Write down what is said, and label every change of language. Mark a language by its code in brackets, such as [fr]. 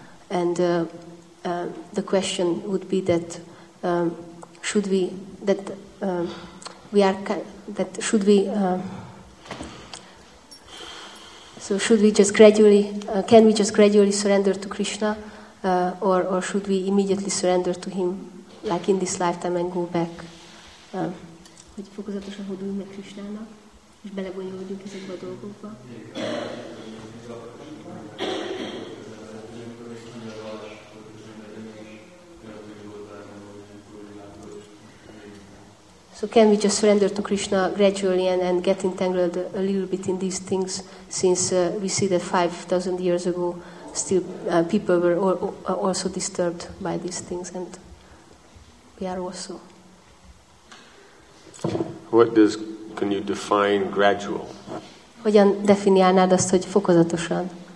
[en] And the question would be that should we that we are that should we so should we just gradually can we just gradually surrender to Krishna or should we immediately surrender to him like in this lifetime and go back? [hu] Hogy fokozatosan hódulunk meg Krishnának, és belegondolódjunk ezekbe a dolgokba. [en] So can we just surrender to Krishna gradually and get entangled a little bit in these things, since we see that 5,000 years ago still people were also disturbed by these things, and we are also. What does, can you define gradual? [hu] Hogyan definiálnád azt, hogy fokozatosan?